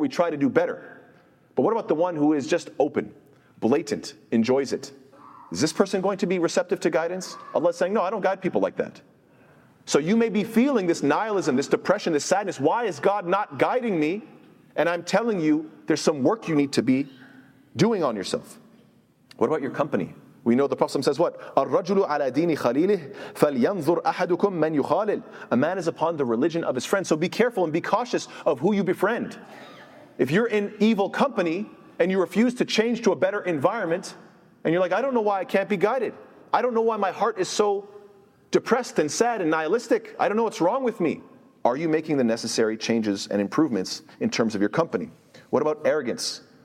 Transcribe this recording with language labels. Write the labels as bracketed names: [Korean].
[English] We try to do better. But what about the one who is just open, blatant, enjoys it? Is this person going to be receptive to guidance? Allah is saying, no, I don't guide people like that. So you may be feeling this nihilism, this depression, this sadness. Why is God not guiding me? And I'm telling you, there's some work you need to be doing on yourself. What about your company? We know the Prophet says what? [Arabic] الرجل على دين خليله فلينظر أحدكم من يخالل. [English] A man is upon the religion of his friend. So be careful and be cautious of who you befriend. If you're in evil company and you refuse to change to a better environment, and you're like, I don't know why I can't be guided. I don't know why my heart is so depressed and sad and nihilistic. I don't know what's wrong with me. Are you making the necessary changes and improvements in terms of your company? What about arrogance?